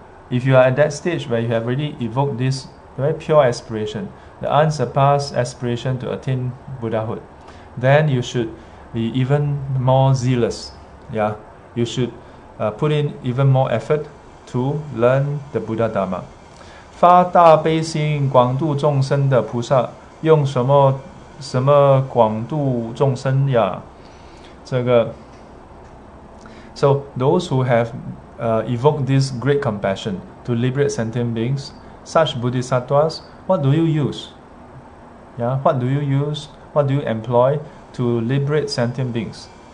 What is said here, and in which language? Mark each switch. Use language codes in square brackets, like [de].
[en] If you are at that stage where you have already evoked this very pure aspiration, the unsurpassed aspiration to attain Buddhahood, then you should be even more zealous. Yeah, you should put in even more effort to learn the Buddha Dharma. [zh] 发大悲心广度众生的菩萨，用什么广度众生呀？ [en] 这个, so those who have evoked this great compassion to liberate sentient beings, such bodhisattvas, what do you use? Yeah, what do you use? What do you employ to liberate sentient beings?